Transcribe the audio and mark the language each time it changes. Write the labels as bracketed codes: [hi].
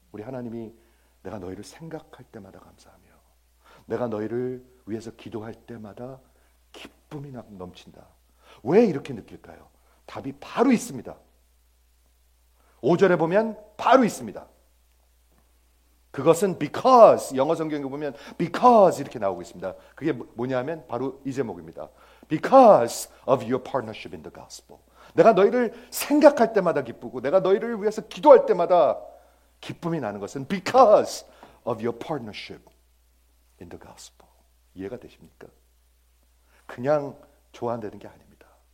[ko] 우리 하나님이 내가 너희를 생각할 때마다 감사하며 내가 너희를 위해서 기도할 때마다 기쁨이 넘친다. 왜 이렇게 느낄까요? 답이 바로 있습니다. 5절에 보면 바로 있습니다. 그것은 because, 영어 성경에 보면 because 이렇게 나오고 있습니다. 그게 뭐냐면 바로 이 제목입니다. [en] Because of your partnership in the gospel. [ko] 내가 너희를 생각할 때마다 기쁘고 내가 너희를 위해서 기도할 때마다 기쁨이 나는 것은 [en] because of your partnership in the gospel. [ko] 이해가 되십니까? 그냥 좋아한다는 게 아닙니다.